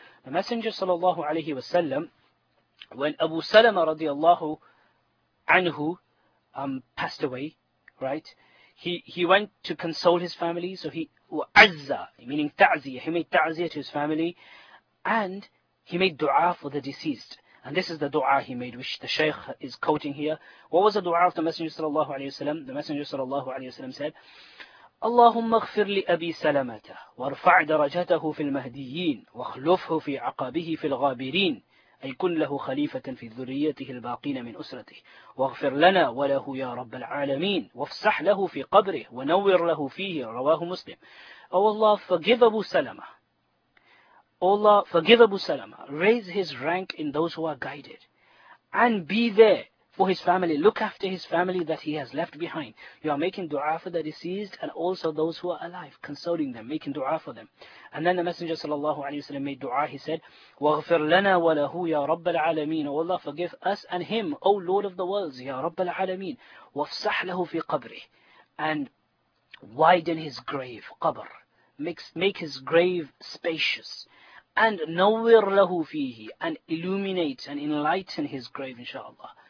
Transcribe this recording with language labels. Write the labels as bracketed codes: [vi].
[en] The Messenger sallallahu alayhi wasallam, when Abu Salama radiallahu anhu passed away, right? He went to console his family, so he wa'azza, meaning ta'ziyah. He made ta'ziyah to his family, and he made dua for the deceased. And this is the dua he made, which the Shaykh is quoting here. What was the dua of the Messenger sallallahu alayhi wasallam? The Messenger sallallahu alayhi wasallam said, [ar] اللهم اغفر لأبي سلمة وارفع درجته في المهديين واخلفه في عقبه في الغابرين أي كن له خليفة في ذريته الباقين من أسرته واغفر لنا وله يا رب العالمين وافسح له في قبره ونور له فيه رواه مسلم. [en] Oh Allah, forgive Abu Salama. Oh Allah, forgive Abu Salama. Raise his rank in those who are guided. And be there for his family. Look after his family that he has left behind. You are making dua for the deceased and also those who are alive, consoling them, making dua for them. And then the Messenger sallallahu alayhi wa sallam made dua. He said, [ar] وَغْفِرْ لَنَا وَلَهُ يَا رَبَّ الْعَالَمِينَ. [en] Oh Allah, forgive us and him, O Lord of the worlds, [ar] يَا رَبَّ الْعَالَمِينَ. وَفْسَحْ لَهُ فِي قَبْرِهِ. [en] And widen his grave, qabr. Make his grave spacious. And [ar] نَوِّرْ لَهُ فِيهِ. [en] And illuminate and enlighten his grave, inshallah.